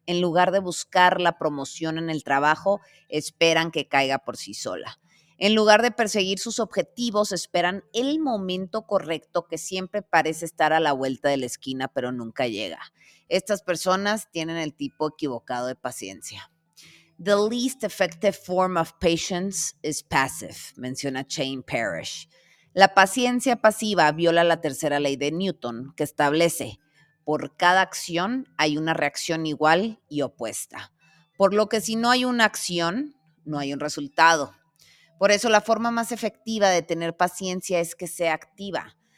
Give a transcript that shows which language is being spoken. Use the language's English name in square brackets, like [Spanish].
[Spanish] En lugar de buscar la promoción en el trabajo, esperan que caiga por sí sola. En lugar de perseguir sus objetivos, esperan el momento correcto que siempre parece estar a la vuelta de la esquina, pero nunca llega. Estas personas tienen el tipo equivocado de paciencia. [English] The least effective form of patience is passive, [Spanish] menciona [English] Shane Parrish. [Spanish] La paciencia pasiva viola la tercera ley de Newton, que establece: por cada acción hay una reacción igual y opuesta. Por lo que si no hay una acción, no hay un resultado. Por eso la forma más efectiva de tener paciencia es que sea activa.